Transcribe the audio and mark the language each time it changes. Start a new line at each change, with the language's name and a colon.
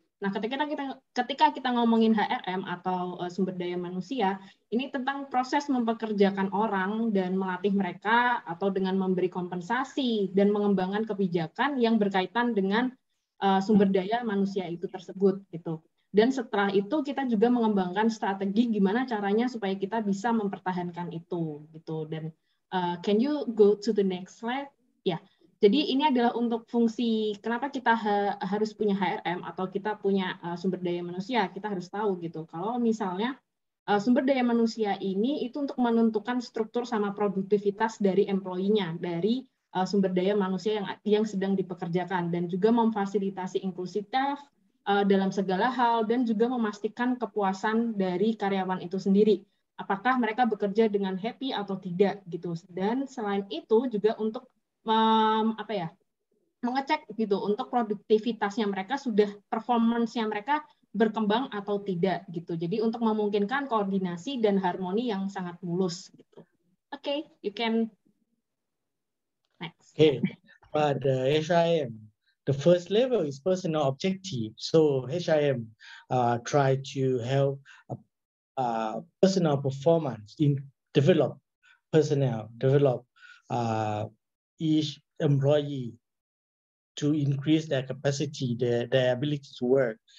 Indonesian: Nah, ketika kita ngomongin HRM atau sumber daya manusia, ini tentang proses mempekerjakan orang dan melatih mereka atau dengan memberi kompensasi dan mengembangkan kebijakan yang berkaitan dengan sumber daya manusia itu tersebut gitu. Dan setelah itu kita juga mengembangkan strategi gimana caranya supaya kita bisa mempertahankan itu gitu.
English: Dan can you go to the next slide? Yeah.
Indonesian: Jadi ini adalah untuk fungsi, kenapa kita harus punya HRM atau kita punya sumber daya manusia, kita harus tahu gitu. Kalau misalnya sumber daya manusia ini itu untuk menentukan struktur sama produktivitas dari employee-nya, dari sumber daya manusia yang sedang dipekerjakan, dan juga memfasilitasi inklusivitas dalam segala hal, dan juga memastikan kepuasan dari karyawan itu sendiri. Apakah mereka bekerja dengan happy atau tidak gitu. Dan selain itu juga untuk mengecek gitu untuk produktivitasnya mereka, sudah performance-nya mereka berkembang atau tidak gitu. Jadi untuk memungkinkan koordinasi dan harmoni yang sangat mulus gitu.
English: Okay, you can. Next. Okay, but HIM, the first level is personal objective. So HIM try to help personal performance in develop personnel, develop each employee to increase their capacity, their ability to work.